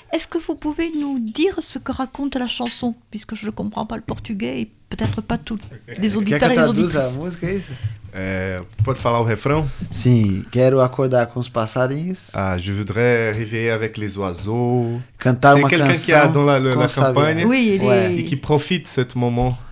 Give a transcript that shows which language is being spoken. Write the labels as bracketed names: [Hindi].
[French] Est-ce que vous pouvez nous dire ce que raconte la chanson, puisque je ne comprends pas le portugais et peut-être pas tous les auditeurs et les auditrices. la musique, est-ce que tu peux parler le refrain? [Portuguese] Si, quero acordar com os passarinhos. [French] Ah, je voudrais réveiller avec les oiseaux. [Portuguese] Cantar uma canção. [French] C'est quelqu'un qui a dans la campagne, oui, ele... et qui profite de ce moment.